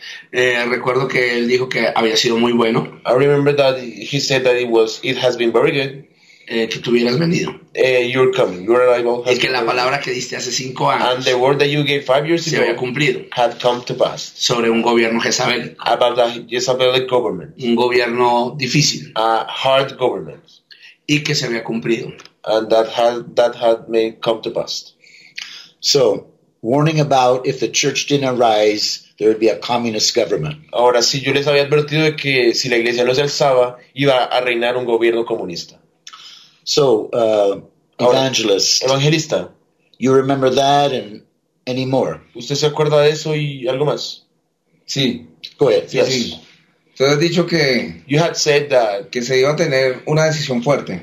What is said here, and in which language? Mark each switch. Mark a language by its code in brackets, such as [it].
[es] Recuerdo que él dijo que había sido muy bueno. [en] I remember that he said that it has been very good. [es] Que tú hubieras venido. [en] You're coming. Your arrival has been. [es] Es que la palabra que diste hace 5 años. [en] And the word that you gave 5 years ago. [es] Se había cumplido. [en] Had come to pass. [es] Sobre un gobierno Jezabel. [en] About the Jezabelic government. [es] Un gobierno difícil. [en] A hard government. [es] Y que se había cumplido. [en] And that had may come to pass. So, warning about if the church didn't arise, there would be a communist government. [es] Ahora sí, yo les había advertido de que si la iglesia no se alzaba, iba a reinar un gobierno comunista. [en] So, evangelista, you remember that and any more? [es] ¿Usted se acuerda de eso y algo más? Sí. [en] Go ahead. [es] Sí, yes. Sí. Usted ha dicho que [en] you had said that [es] que se iba a tener una decisión fuerte.